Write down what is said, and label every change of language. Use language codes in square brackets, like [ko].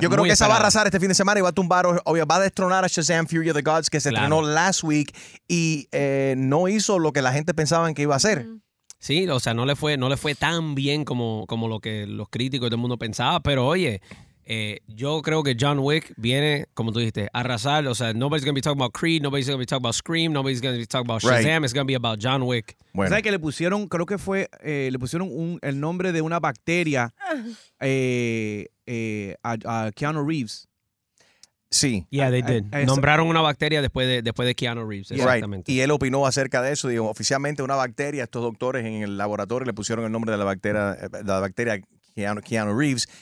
[es] Yo creo que esa va a arrasar este fin de semana y va a tumbar, obvio, va a destronar a Shazam Fury of the Gods, que se estrenó [en] last week [es] y no hizo lo que la gente pensaba que iba a hacer. Sí, o sea, no le fue tan bien como lo que los críticos del mundo pensaban, pero oye, yo creo que John Wick viene, como tú dijiste, a arrasar. O sea, [en] nobody's going to be talking about Creed, nobody's going to be talking about Scream, nobody's going to be talking about Shazam, right. It's going to be about John Wick. [es] Bueno. ¿Sabes que le pusieron, creo que fue, le pusieron el nombre de una bacteria a Keanu Reeves? Sí. [en] Yeah, they did. [es] Nombraron una bacteria después de Keanu Reeves. Exactamente. [en] Right. [es] Y él opinó acerca de eso. Dijo, oficialmente una bacteria, estos doctores en el laboratorio le pusieron el nombre de la bacteria Keanu Reeves.